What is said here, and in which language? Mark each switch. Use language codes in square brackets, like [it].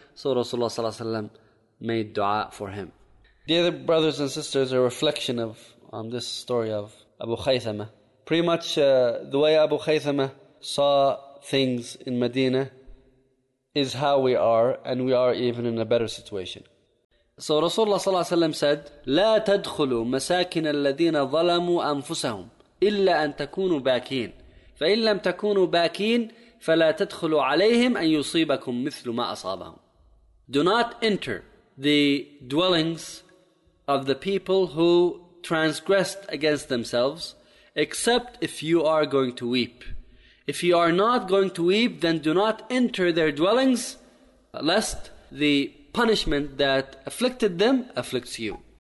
[en] So Rasulullah صلى الله عليه وسلم made dua for him. Dear brothers and sisters, a reflection of on this story of Abu Khaythama. Pretty much the way Abu Khaythama saw things in Medina is how we are, and we are even in a better situation. So Rasulullah صلى الله عليه وسلم said, [ar] لا تدخلوا مساكن الذين ظلموا أنفسهم إلا أن تكونوا باكين فإن لم تكونوا باكين فلا تدخلوا عليهم أن يصيبكم مثل ما أصابهم. [en] Do not enter the dwellings of the people who transgressed against themselves except if you are going to weep. If you are not going to weep, then do not enter their dwellings lest the punishment that afflicted them afflicts you.